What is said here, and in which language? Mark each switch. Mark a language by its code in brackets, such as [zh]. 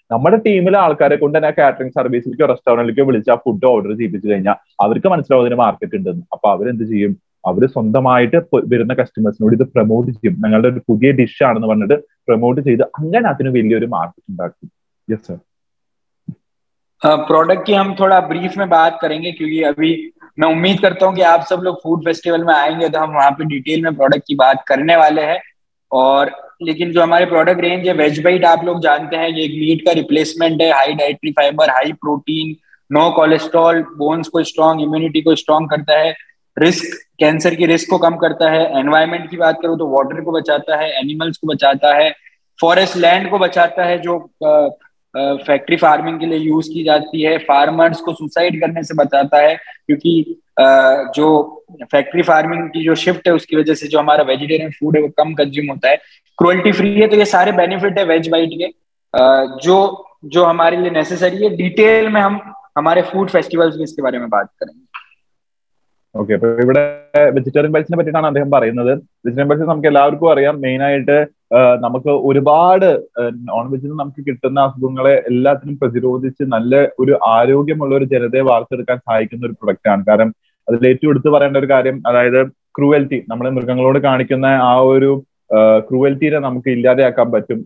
[ml] നമ്മുടെ ടീമിലെ ആൾക്കാരെ കൊണ്ട് തന്നെ കാറ്ററിംഗ് സർവീസിലേക്കോ റെസ്റ്റോറന്റിലേക്കോ വിളിച്ച് ആ ഫുഡ് ഓർഡർ ചെയ്യിപ്പിച്ചു കഴിഞ്ഞാൽ അവർക്ക് മനസ്സിലാവും അതിന് മാർക്കറ്റ് ഉണ്ടെന്ന്. അപ്പൊ അവരെന്ത് ചെയ്യും, അവർ സ്വന്തമായിട്ട് വരുന്ന കസ്റ്റമേഴ്സിനോട് ഇത് പ്രൊമോട്ട് ചെയ്യും, ഞങ്ങളുടെ ഒരു പുതിയ ഡിഷ് ആണെന്ന് പറഞ്ഞിട്ട് പ്രൊമോട്ട് ചെയ്ത് അങ്ങനെ അതിന് വലിയൊരു മാർക്കറ്റ് ഉണ്ടാക്കും. [en] Yes sir. [hi] प्रोडक्ट की हम थोड़ा ब्रीफ में बात करेंगे क्योंकि अभी मैं उम्मीद करता हूँ कि आप सब लोग फूड फेस्टिवल में आएंगे तो हम वहाँ पे डिटेल में प्रोडक्ट की बात करने वाले हैं। और लेकिन जो हमारे प्रोडक्ट रेंज है, वेज बाइट आप लोग जानते हैं, ये एक मीट का रिप्लेसमेंट है, high dietary fibre, high protein, no cholesterol, bones को स्ट्रांग, इम्यूनिटी को स्ट्रांग करता है, रिस्क कैंसर की रिस्क को कम करता है, एनवायरमेंट की बात करूँ तो वाटर को बचाता है, एनिमल्स को बचाता है, फॉरेस्ट लैंड को बचाता है जो फैक्ट्री फार्मिंग के लिए यूज की जाती है, फार्मर्स को सुसाइड करने से बचाता है क्योंकि जो फैक्ट्री फार्मिंग की जो शिफ्ट है उसकी वजह से जो हमारा वेजिटेरियन फूड है वो कम कंज्यूम होता है, क्रुएल्टी फ्री है। तो ये सारे बेनिफिट है वेज बाइट के जो जो हमारे लिए नेसेसरी है। डिटेल में हम हमारे फूड फेस्टिवल्स में इसके बारे में बात करेंगे। [ml] ഓക്കെ അപ്പൊ ഇവിടെ വെജിറ്റേറിയൻ ബൈറ്റ്സിനെ പറ്റിയിട്ടാണ് അദ്ദേഹം പറയുന്നത്. വെജിറ്റേറിയൻ ബൈറ്റ്സ് നമുക്ക് എല്ലാവർക്കും അറിയാം, മെയിൻ ആയിട്ട് നമുക്ക് ഒരുപാട് നോൺ വെജിന് നമുക്ക് കിട്ടുന്ന അസുഖങ്ങളെ എല്ലാത്തിനും പ്രതിരോധിച്ച് നല്ല ഒരു ആരോഗ്യമുള്ള ഒരു ജനതയെ വാർത്തെടുക്കാൻ സഹായിക്കുന്ന ഒരു പ്രൊഡക്റ്റാണ്. കാരണം അതിൽ ഏറ്റവും എടുത്തു പറയേണ്ട ഒരു കാര്യം, അതായത് ക്രൂവൽറ്റി, നമ്മളെ മൃഗങ്ങളോട് കാണിക്കുന്ന ആ ഒരു ക്രൂവൽറ്റീനെ നമുക്ക് ഇല്ലാതെയാക്കാൻ പറ്റും.